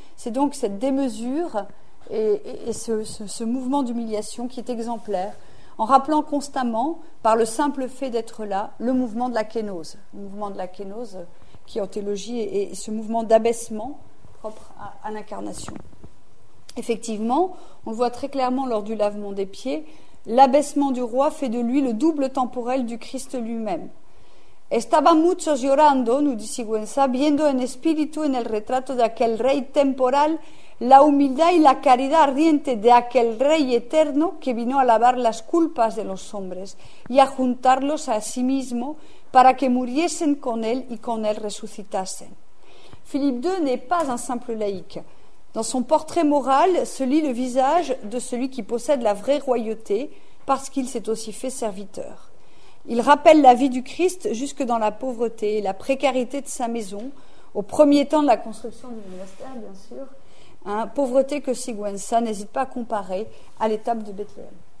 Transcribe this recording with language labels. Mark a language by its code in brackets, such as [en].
[fr] C'est donc cette démesure et ce mouvement d'humiliation qui est exemplaire, en rappelant constamment, par le simple fait d'être là, le mouvement de la kénose. Le mouvement de la kénose qui, en théologie, est ce mouvement d'abaissement propre à l'incarnation. Effectivement, on le voit très clairement lors du lavement des pieds, l'abaissement du roi fait de lui le double temporel du Christ lui-même. [es] Estaba mucho llorando, [fr] nous dit Sigüenza, [es] viendo en espíritu en el retrato de aquel rey temporal la humildad y la caridad ardiente de aquel rey eterno que vino a lavar las culpas de los hombres y a juntarlos a sí mismo para que muriesen con él y con él resucitasen. [fr] Philippe II n'est pas un simple laïc. Dans son portrait moral se lit le visage de celui qui possède la vraie royauté parce qu'il s'est aussi fait serviteur. Il rappelle la vie du Christ jusque dans la pauvreté et la précarité de sa maison, au premier temps de la construction du monastère, bien sûr, hein, pauvreté que Sigüenza n'hésite pas à comparer à l'étape de Bethléem.